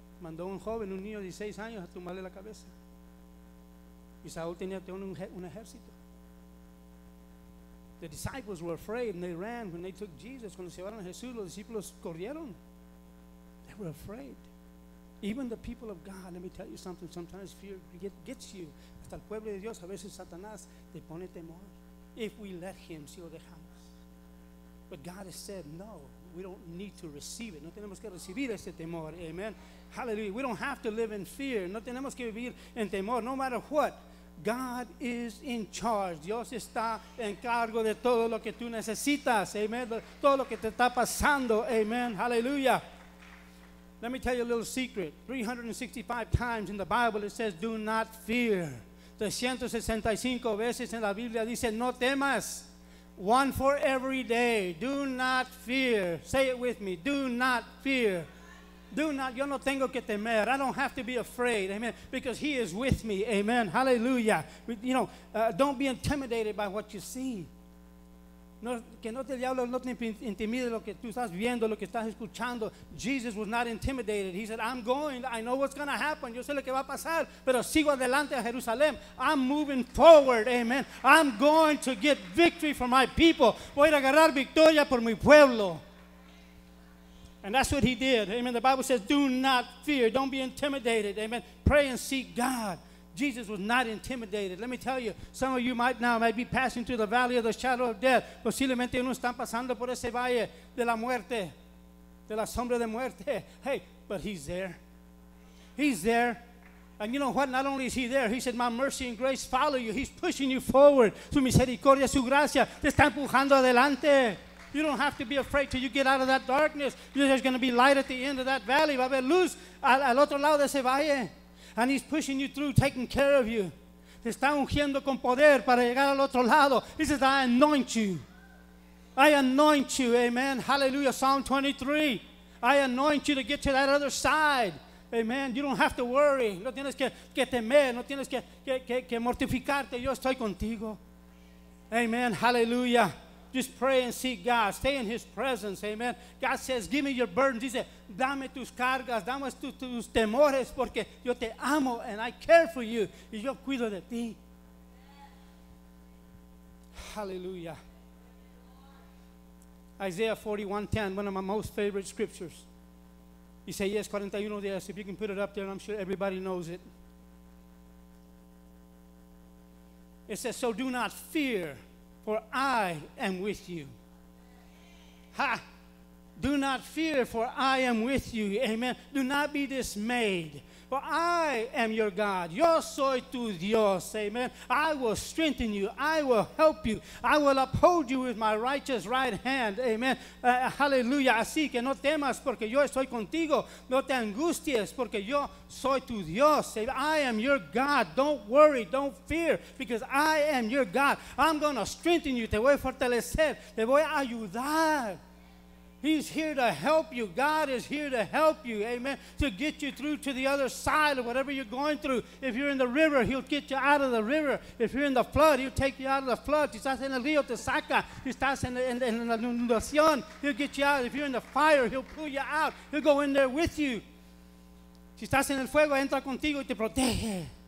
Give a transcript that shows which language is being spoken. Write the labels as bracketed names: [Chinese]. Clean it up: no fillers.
[Spanish] Mandó un joven, un niño de 16 años, a tumbarle la cabeza. Y Saúl tenía un ejército. [English] The disciples were afraid and they ran when they took Jesus. [Spanish] Cuando se llevaron a Jesús, los discípulos corrieron. [English] They were afraid. Even the people of God, let me tell you something, sometimes fear gets you. [Spanish] Hasta el pueblo de Dios, a veces Satanás te pone temor. [English] If we let him, [Spanish] si lo dejamos. [English] But God has said, no, we don't need to receive it. [Spanish] No tenemos que recibir ese temor. [English] Amen. Hallelujah. We don't have to live in fear. [Spanish] No tenemos que vivir en temor. [English] No matter what, God is in charge. [Spanish] Dios está en cargo de todo lo que tú necesitas. Amen. Todo lo que te está pasando. Amen. Hallelujah. [English] Let me tell you a little secret. 365 times in the Bible it says, do not fear. [Spanish] 365 veces en la Biblia dice, no temas. [English] One for every day. Do not fear. Say it with me. Do not fear. Do not, [Spanish] yo no tengo que temer. [English] I don't have to be afraid, amen, because he is with me, amen, hallelujah. You know, don't be intimidated by what you see. [Spanish] que no te diablo no te intimide lo que tú estás viendo, lo que estás escuchando. [English] Jesus was not intimidated. He said, I'm going. I know what's going to happen. [Spanish] Yo sé lo que va a pasar, pero sigo adelante a Jerusalén. [English] I'm moving forward. Amen. I'm going to get victory for my people. [Spanish] Voy a agarrar victoria por mi pueblo. [English] And that's what he did. Amen. The Bible says, do not fear. Don't be intimidated. Amen. Pray and seek God. Jesus was not intimidated. Let me tell you, some of you might now might be passing through the valley of the shadow of death. [Spanish] Posiblemente uno está pasando por ese valle de la muerte, de la sombra de muerte. [English] Hey, but he's there. He's there. And you know what? Not only is he there, he said, my mercy and grace follow you. He's pushing you forward. [Spanish] Su misericordia, su gracia, te está empujando adelante. [English] You don't have to be afraid till you get out of that darkness. There's going to be light at the end of that valley. [Spanish] Va a haber luz al otro lado de ese valle. [English] And he's pushing you through, taking care of you. [Spanish] Te está ungiendo con poder para llegar al otro lado. [English] He says, I anoint you. I anoint you. Amen. Hallelujah. Psalm 23. I anoint you to get to that other side. Amen. You don't have to worry. [Spanish] No tienes que temer. No tienes que mortificarte. Yo estoy contigo. Amen. Hallelujah. [English] Just pray and seek God. Stay in his presence. Amen. God says, give me your burdens. He said, [Spanish] dame tus cargas. Dame tus temores porque yo te amo [English] and I care for you. [Spanish] Y yo cuido de ti. [English] Hallelujah. Isaiah 41:10, one of my most favorite scriptures. Isaías 41:10, if you can put it up there, I'm sure everybody knows it. It says, so do not fear, for I am with you. Ha! Do not fear, for I am with you. Amen. Do not be dismayed, for I am your God. [Spanish] Yo soy tu Dios. [English] Amen. I will strengthen you. I will help you. I will uphold you with my righteous right hand. Amen. Hallelujah. [Spanish] Así que no temas, porque yo estoy contigo. No te angusties, porque yo soy tu Dios. Amen. [English] I am your God. Don't worry. Don't fear, because I am your God. I'm going to strengthen you. [Spanish] Te voy a fortalecer. Te voy a ayudar. [English] He's here to help you. God is here to help you, amen, to get you through to the other side of whatever you're going through. If you're in the river, he'll get you out of the river. If you're in the flood, he'll take you out of the flood. [Spanish] Si estás en el río, te saca. Si estás en la inundación, [English] he'll get you out. If you're in the fire, he'll pull you out. He'll go in there with you. [Spanish] Si estás en el fuego, entra contigo y te protege.